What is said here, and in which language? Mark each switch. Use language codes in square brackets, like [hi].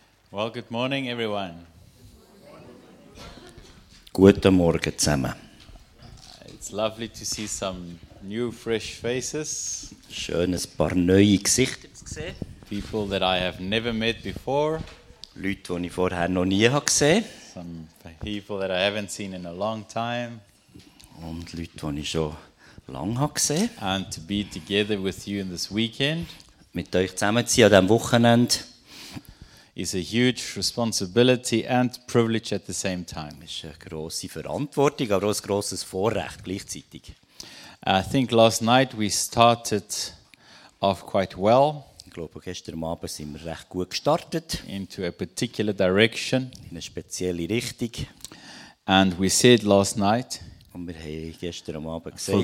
[en] Well, good morning, everyone. [de] Guten Morgen zusammen. [en] Lovely to see some new, fresh faces. [de] Schön, ein paar neue Gesichter zu sehen. [en] People that I have never met before. [de] Leute, die ich vorher noch nie habe gesehen. [en] Some people that I haven't seen in a long time. [de] Und Leute, die ich schon lange habe gesehen. [en] And to be together with you in this weekend. [de] Mit euch zusammen zu sein an diesem Wochenende. [en] Is a huge responsibility and privilege at the same time. [de] Ist eine grosse Verantwortung, aber auch ein grosses Vorrecht gleichzeitig. [en] I think last night we started off quite well. [de] Ich glaube, gestern Abend sind wir recht gut gestartet. [en] Into a particular direction. [de] In eine spezielle Richtung. [en] And we said last night. [de] Und wir haben gestern Abend gesagt.